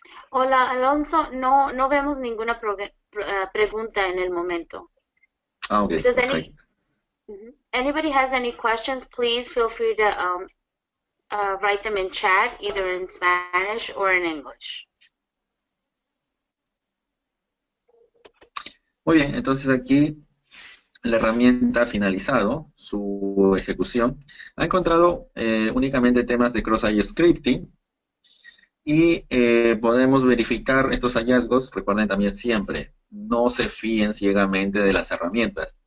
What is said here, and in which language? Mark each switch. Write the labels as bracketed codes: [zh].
[es] Hola, Alonso, no vemos ninguna pregunta en el momento. [en] Ah, okay, does anybody has any questions, please feel free to write them in chat, either in Spanish or in English. [es] Muy bien, entonces aquí la herramienta ha finalizado su ejecución. Ha encontrado únicamente temas de cross-site scripting y podemos verificar estos hallazgos. Recuerden también siempre, no se fíen ciegamente de las herramientas.